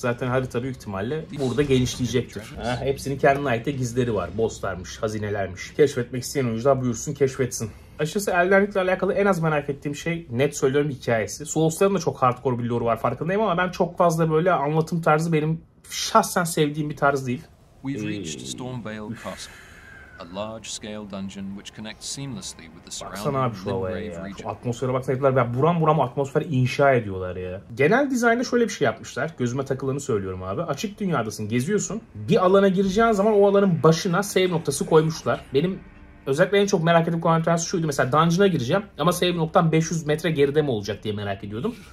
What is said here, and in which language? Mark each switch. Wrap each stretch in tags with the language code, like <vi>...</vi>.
<tr>Zaten harita büyük ihtimalle burada genişleyecektir. Ha, hepsinin kendine ait de gizleri var. Bosslarmış, hazinelermiş. Keşfetmek isteyen oyuncular buyursun keşfetsin. Açıkçası Elden Ring'le alakalı en az merak ettiğim şey net söylüyorum hikayesi. Souls'ların da çok hardcore bir lore var farkındayım ama ben çok fazla böyle anlatım tarzı benim şahsen sevdiğim bir tarz değil.</tr> <en>We've reached Stormvale Castle. A large scale dungeon which connects seamlessly with the surrounding Limgrave region.</en> <tr>Atmosfere baksana dediler ya buram buram atmosfer inşa ediyorlar ya. Genel dizaynda şöyle bir şey yapmışlar. Gözüme takılanı söylüyorum abi. Açık dünyadasın, geziyorsun. Bir alana gireceğin zaman o alanın başına save noktası koymuşlar. Benim özellikle en çok merak ettiğim konu şuydu. Mesela dungeon'a gireceğim ama save noktam 500 metre geride mi olacak diye merak ediyordum.</tr>